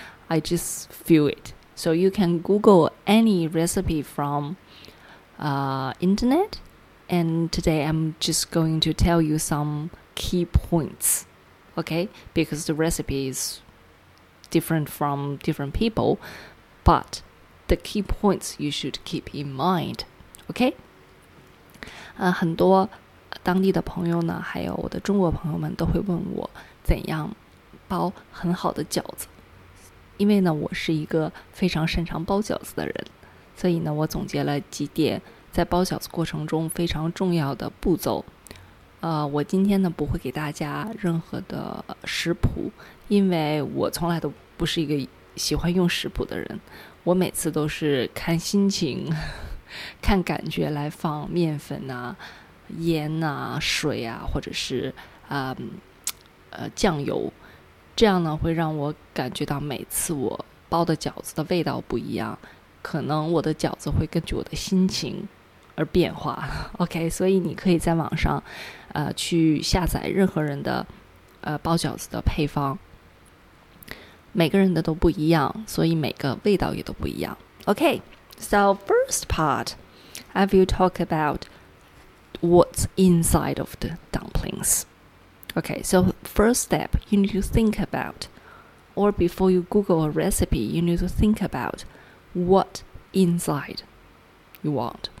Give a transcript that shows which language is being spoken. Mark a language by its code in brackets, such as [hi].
[en] I just feel it. So you can Google any recipe from internet, and today I'm just going to tell you some key points, okay? Because the recipe is different from different people, but the key points you should keep in mind, okay? [zh] 很多当地的朋友呢，还有我的中国朋友们都会问我怎样包很好的饺子，因为呢，我是一个非常擅长包饺子的人，所以呢，我总结了几点在包饺子过程中非常重要的步骤。我今天呢不会给大家任何的食谱，因为我从来都不是一个喜欢用食谱的人，我每次都是看心情看感觉来放面粉啊、盐啊、水啊，或者是酱油，这样呢会让我感觉到每次我包的饺子的味道不一样，可能我的饺子会根据我的心情而变化。 OK， 所以你可以在网上去下载任何人的包饺子的配方，每个人的都不一样，所以每个味道也都不一样。 [en] OK， so first part I will talk about what's inside of the dumplings. OK, so first step, you need to think about, or before you Google a recipe, you need to think aboutWhat inside you want.